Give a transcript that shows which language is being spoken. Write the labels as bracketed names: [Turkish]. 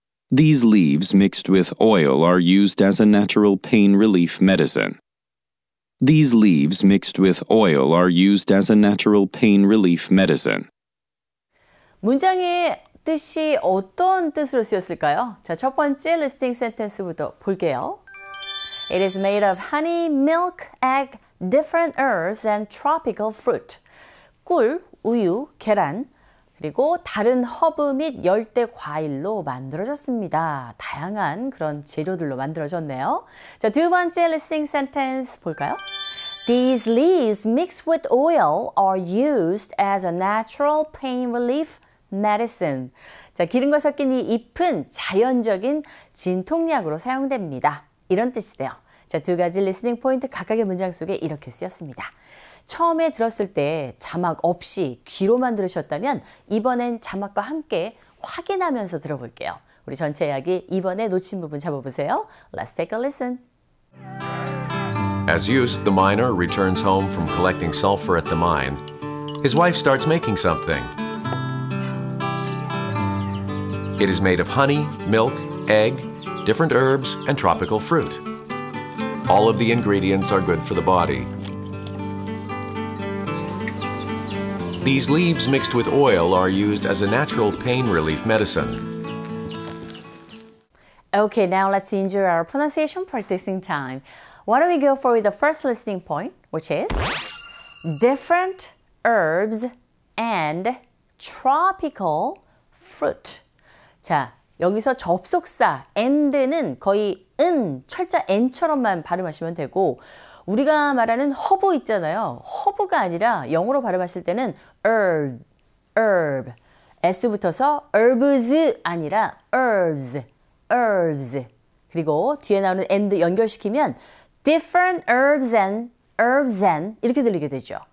[English] These leaves mixed with oil are used as a natural pain relief medicine. These leaves mixed with oil are used as a natural pain relief medicine. [Korean] 문장에 뜻이 어떤 뜻으로 쓰였을까요? 자, 첫 번째 리스팅 센텐스부터 볼게요. [English] It is made of honey, milk, egg, different herbs, and tropical fruit. [Korean] 꿀, 우유, 계란, 그리고 다른 허브 및 열대 과일로 만들어졌습니다. 다양한 그런 재료들로 만들어졌네요. 자, 두 번째 리스팅 센텐스 볼까요? [English] These leaves mixed with oil are used as a natural pain relief medicine. [Korean] 자, 기름과 섞인 이 잎은 자연적인 진통약으로 사용됩니다. 이런 뜻이네요. 자, 두 가지 리스닝 포인트 각각의 문장 속에 이렇게 쓰였습니다. 처음에 들었을 때 자막 없이 귀로만 들으셨다면 이번엔 자막과 함께 확인하면서 들어볼게요. 우리 전체 이야기 이번에 놓친 부분 잡아보세요. [English] Let's take a listen. As Yus, the miner, returns home from collecting sulfur at the mine, his wife starts making something. It is made of honey, milk, egg, different herbs, and tropical fruit. All of the ingredients are good for the body. These leaves mixed with oil are used as a natural pain relief medicine. Okay, now let's enjoy our pronunciation practicing time. Why don't we go for the first listening point, which is different herbs and tropical fruit. [Korean] 자, 여기서 접속사 and는 거의 은, 철자 n처럼만 발음하시면 되고 우리가 말하는 허브 있잖아요. 허브가 아니라 영어로 발음하실 때는 herb, s부터서 herbs 아니라 herbs 그리고 뒤에 나오는 and 연결시키면 [English] different herbs and [Korean] 이렇게 들리게 되죠.